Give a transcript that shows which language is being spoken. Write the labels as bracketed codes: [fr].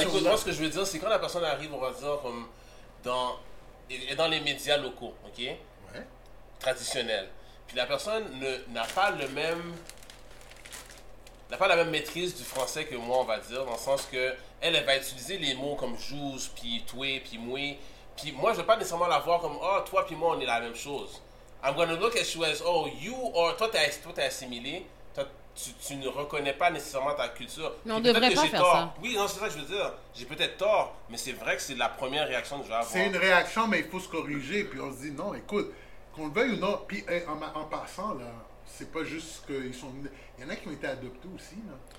[fr] Écoute, moi, ce que je veux dire, c'est quand la personne arrive, on va dire, comme dans les médias locaux, OK? Traditionnel. Puis la personne n'a pas la même maîtrise du français que moi, on va dire, dans le sens que elle va utiliser les mots comme jouze, puis toué, puis moué. Puis moi, je vais pas nécessairement la voir comme oh toi puis moi on est la même chose. [en] I'm gonna look at you as oh you or [fr] toi t'es assimilé. Tu ne reconnais pas nécessairement ta culture. Mais on devrait pas faire tort. Ça. Oui, non, c'est ça que je veux dire. J'ai peut-être tort, mais c'est vrai que c'est la première réaction que je vais avoir. C'est une réaction, mais il faut se corriger. Puis on se dit non, écoute. Qu'on le veuille ou non, puis en passant, là, c'est pas juste qu'ils sont... Il y en a qui ont été adoptés aussi, là.